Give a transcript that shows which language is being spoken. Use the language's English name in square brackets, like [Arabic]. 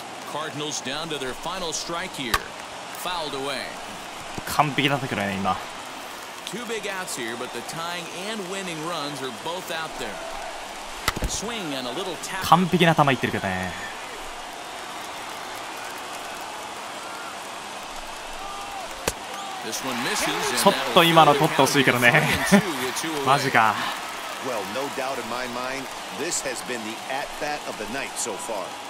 [English] Cardinals down to their final strike here. Fouled away. [Japanese] 完璧だったけどね、今。 [English] Two big outs here, but the tying and winning runs are both out there. Swing and a little tap. [Japanese] 完璧な球いってるけどね。ちょっと今の取ってほしいけどね。マジか。 [English] Well, no doubt in my mind, this has been the at-bat of the night so far.